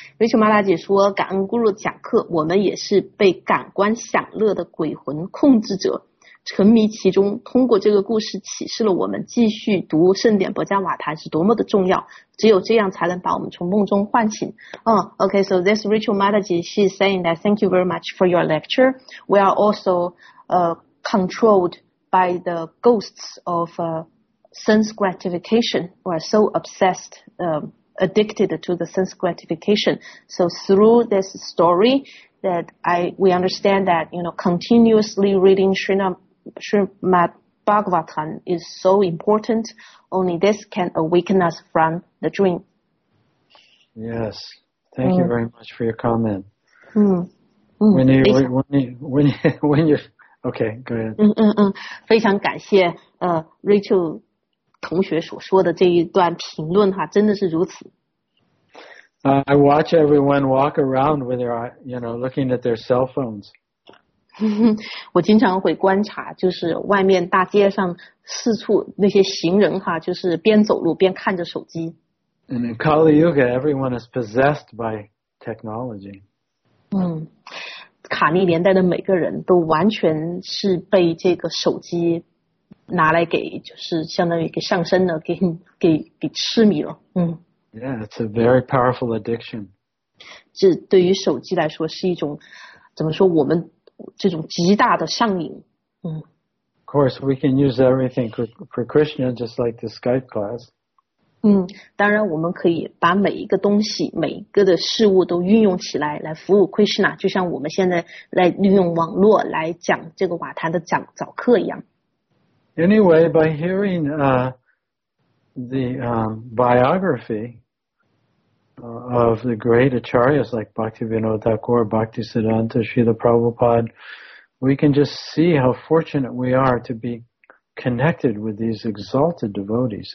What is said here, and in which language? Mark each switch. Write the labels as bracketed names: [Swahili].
[Chinese] Rachel Mataji 说，感恩 Guru 讲课，我们也是被感官享乐的鬼魂控制者，沉迷其中，通过这个故事启示了我们继续读圣典博加瓦台是多么的重要，只有这样才能把我们从梦中唤醒。 [English] Okay, so this Rachel Mataji, she's saying that thank you very much for your lecture. We are also controlled by the ghosts of sense gratification. We are so obsessed addicted to the sense gratification. So through this story, that we understand that, you know, continuously reading Srimad Bhagavatam is so important. Only this can awaken us from the dream. Yes. Thank you very much for your comment. Okay, go ahead. [Chinese] 非常感谢Rachel 同学所说的这一段评论哈，真的是如此。 [English] I watch everyone walk around when they're, you know, looking at their cell phones. [Chinese] 我经常会观察，就是外面大街上四处那些行人哈，就是边走路边看着手机。 [English] And in Kali Yuga, everyone is possessed by technology. [Chinese] 卡利年代的每个人都完全是被这个手机拿来给，就是相当于给上身了，给痴迷了。 [English] Yeah, it's a very powerful addiction. [Chinese] 这对于手机来说是一种，怎么说，我们这种极大的上瘾。 [English] Of course, we can use everything for Krishna, just like the Skype class. [Chinese] 当然我们可以把每一个东西，每一个的事物都运用起来，来服务 Krishna, 就像我们现在来利用网络来讲这个瓦坛的早课一样。 [English] Anyway, by hearing biography of the great acharyas like Bhaktivinoda Thakur, Bhaktisiddhanta, Srila Prabhupada, we can just see how fortunate we are to be connected with these exalted devotees.